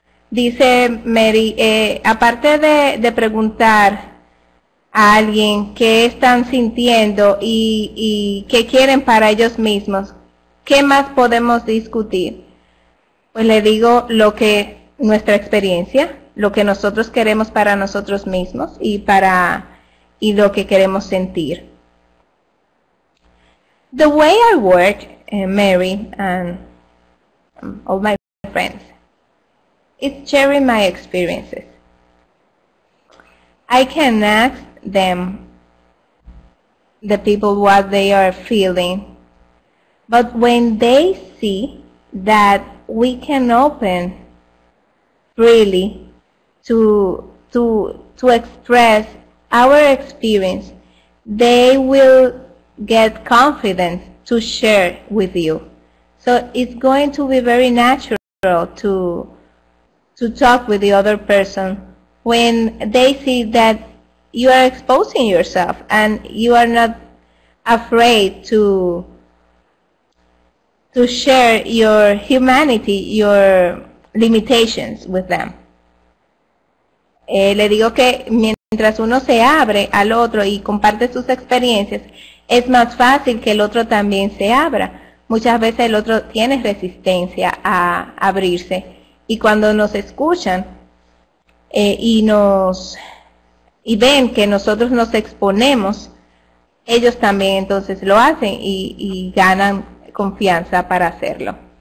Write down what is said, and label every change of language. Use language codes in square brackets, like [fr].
[es] Dice Mary, aparte de preguntar a alguien qué están sintiendo y qué quieren para ellos mismos, ¿qué más podemos discutir? Pues le digo lo que nuestra experiencia, lo que nosotros queremos para nosotros mismos y lo que queremos sentir. [en] The way I work, Mary and all my friends, is sharing my experiences. I can ask them, the people, what they are feeling, but when they see that we can open freely to express our experience, they will get confidence to share with you. So it's going to be very natural to talk with the other person when they see that you are exposing yourself and you are not afraid to share your humanity, your limitations with them. [es] Le digo que mientras uno se abre al otro y comparte sus experiencias, es más fácil que el otro también se abra. Muchas veces el otro tiene resistencia a abrirse. Y cuando nos escuchan y ven que nosotros nos exponemos, ellos también entonces lo hacen y ganan confianza para hacerlo.